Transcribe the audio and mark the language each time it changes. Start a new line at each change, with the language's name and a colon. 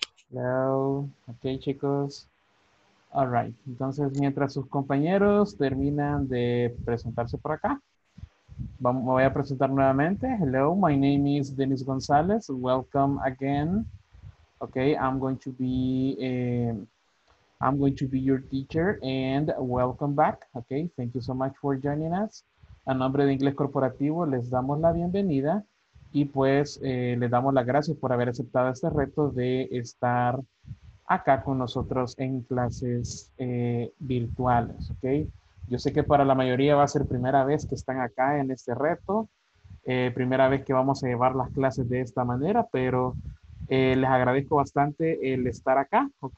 English: Hello. Ok, chicos. All right.
Spanish: Entonces, mientras sus compañeros terminan de presentarse por acá, me voy a presentar nuevamente.
English: Hello, my name is Dennis González. Welcome again. Ok, I'm going to be your teacher and welcome back. Ok, thank you so much for joining us.
Spanish: A nombre de Inglés Corporativo, les damos la bienvenida y pues les damos las gracias por haber aceptado este reto de estar acá con nosotros en clases virtuales, ¿ok? Yo sé que para la mayoría va a ser primera vez que están acá en este reto, primera vez que vamos a llevar las clases de esta manera, pero les agradezco bastante el estar acá, ¿ok?